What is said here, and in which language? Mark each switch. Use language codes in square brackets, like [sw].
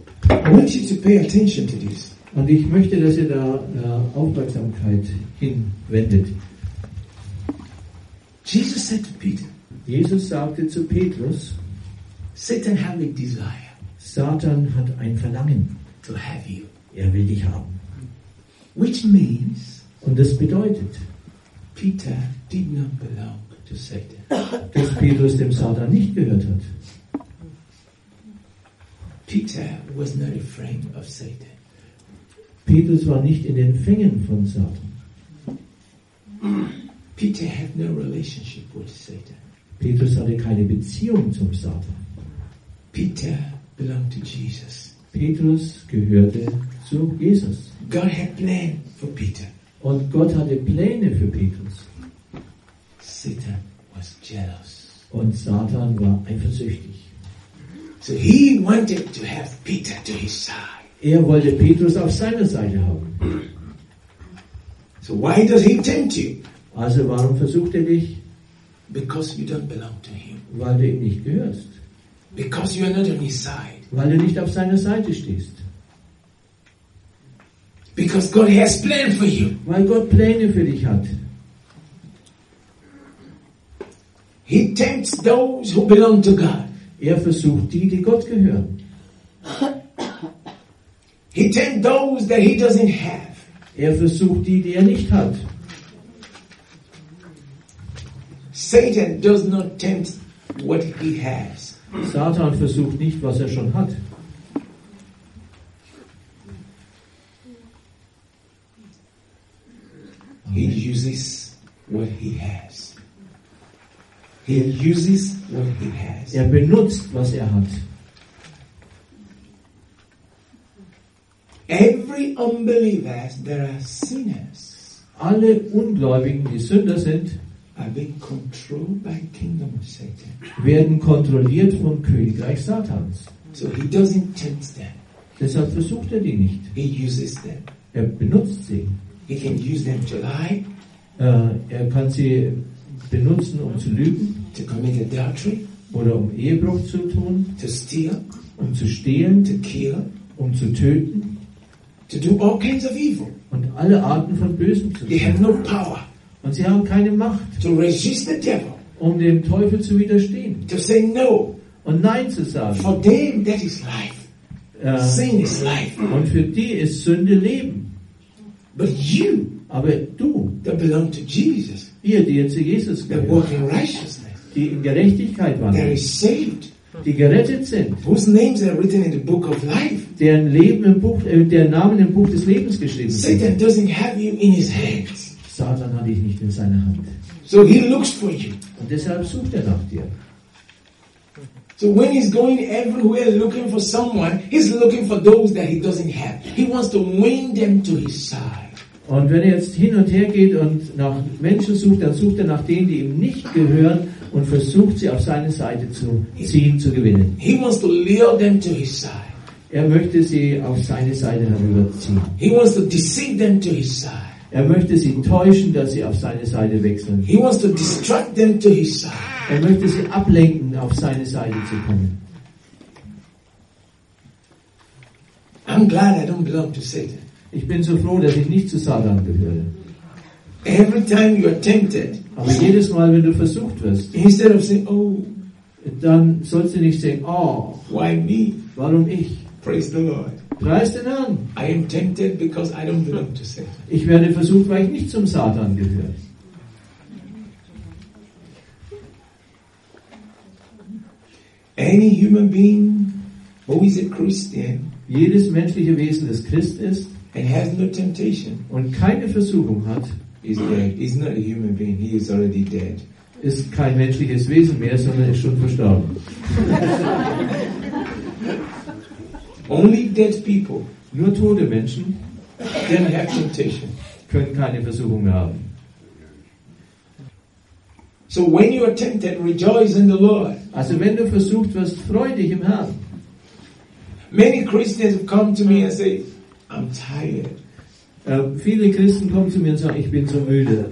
[en] I want you to pay attention to this. [de] Und ich möchte, dass ihr da Aufmerksamkeit hinwendet. [en] Jesus said to Peter. [de] Jesus sagte zu Petrus. [en] Satan had a desire. [de] Satan hat ein Verlangen. [en] To have you. [de] Er will dich haben. [en] Which means. [de] Und das bedeutet. [en] Peter did not belong to Satan. [de] Dass Petrus dem Satan nicht gehört hat. [en] Peter was not a friend of Satan. [de] Petrus war nicht in den Fängen von Satan. [en] Peter had no relationship with Satan. [de] Petrus hatte keine Beziehung zum Satan. [en] Peter belonged to Jesus. [de] Petrus gehörte zu Jesus. [en] God had plan for Peter. [de] Und Gott hatte Pläne für Petrus. [en] Satan was jealous. [de] Und Satan war eifersüchtig. [en] So he wanted to have Peter to his side. [de] Er wollte Petrus auf seiner Seite haben. [en] So why does he tempt you? [de] Also warum versucht er dich? [en] Because you don't belong to him. [de] Weil du ihm nicht gehörst. [en] Because you are not on his side. [de] Weil du nicht auf seiner Seite stehst. [en] Because God has plan for you. [de] Weil Gott Pläne für dich hat. [en] He tempts those who belong to God. [de] Er versucht die, die Gott gehören. [en] He tempts those that he doesn't have. [de] Er versucht die, die er nicht hat. [en] Satan does not tempt what he has. [de] Satan versucht nicht, was er schon hat. [en] He uses what he has. He uses what he has. [de] Er benutzt, was er hat. [en] Every unbeliever, there are sinners. [de] Alle Ungläubigen, die Sünder sind, [en] are being controlled by kingdom of Satan. [de] Werden kontrolliert vom Königreich Satans. [en] So he doesn't tempt them. [de] Deshalb versucht er die nicht. [en] He uses them. [de] Er benutzt sie. [en] He can use them to lie. [de] Er kann sie benutzen, um zu lügen. [en] To commit adultery. [de] Oder um Ehebruch zu tun. [en] To steal. [de] Um zu stehlen. [en] To kill. [de] Um zu töten. [en] To do all kinds of evil. [de] Und alle Arten von Bösen zu tun. [en] They have no power. [de] Und sie haben keine Macht, [en] to resist the devil, [de] um dem Teufel zu widerstehen. [en] To say no, [de] und Nein zu sagen. [en] For them that is life. Sin is life. [de] Und für die ist Sünde Leben. [en] But you, [de] aber du, [en] that belong to Jesus, [de] ihr, die zu Jesus gehört, [en] that walk in righteousness, [de] die in Gerechtigkeit wandeln, [en] that is saved, [de] die gerettet sind, [en] whose names are written in the book of life, [de] deren Leben im Buch, deren Namen im Buch des Lebens geschrieben sind. [en] Satan doesn't have you in his hands. [de] Satan hatte ich nicht in seiner Hand. [en] So he looks for you. [de] Und deshalb sucht er nach dir. [en] So when he's going everywhere looking for someone, he's looking for those that he doesn't have. He wants to win them to his side. [de] Und wenn er jetzt hin und her geht und nach Menschen sucht, dann sucht er nach denen, die ihm nicht gehören, und versucht sie auf seine Seite zu ziehen, zu gewinnen. [en] He wants to lure them to his side. [de] Er möchte sie auf seine Seite herüberziehen. [en] He wants to deceive them to his side. [de] Er möchte sie täuschen, dass sie auf seine Seite wechseln. [en] He wants to distract them to his side. [de] Er möchte sie ablenken, auf seine Seite zu kommen. [en] I'm glad I don't belong to Satan. [de] Ich bin so froh, dass ich nicht zu Satan gehöre. [en] Every time you are tempted, [de] aber jedes Mal, wenn du versucht wirst, [en] instead of saying, oh, [de] dann sollst du nicht sagen, oh, [en] why me? [de] Warum ich? [en] Praise the Lord. [de] Preist den Herrn. [en] I am tempted because I don't belong to Satan. [de] Ich werde versucht, weil ich nicht zum Satan gehöre. [en] Any human being who is a Christian, [de] jedes menschliche Wesen, das Christ ist, [en] and has no temptation, [de] und keine Versuchung hat, [en] is dead. He's not a human being. He is already dead. [de] Ist kein menschliches Wesen mehr, sondern ist schon verstorben. [en] Only dead people, [de] nur tote Menschen, [en] can have temptation, [de] können keine Versuchung mehr haben. [en] So when you are tempted, rejoice in the Lord. [de] Also wenn du versucht wirst, freudig im Herrn. [en] Many Christians come to me and say, I'm tired. [de] Viele Christen kommen zu mir und sagen, ich bin so müde.